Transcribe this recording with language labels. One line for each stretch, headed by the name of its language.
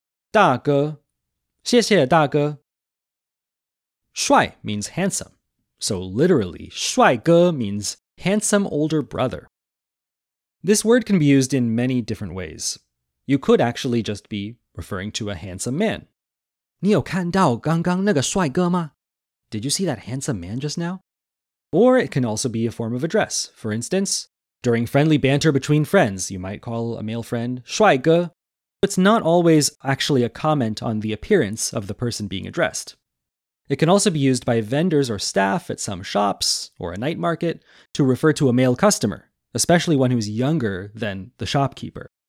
Chinese: 大哥, 谢谢大哥.
English: 帅 means handsome. So literally, 帅哥 means handsome older brother. This word can be used in many different ways. You could actually just be referring to a handsome man.
Chinese: 你有看到刚刚那个帅哥吗?
English: Did you see that handsome man just now? Or it can also be a form of address. For instance, during friendly banter between friends, you might call a male friend 帅哥. It's not always actually a comment on the appearance of the person being addressed. It can also be used by vendors or staff at some shops or a night market to refer to a male customer, especially one who is younger than the shopkeeper.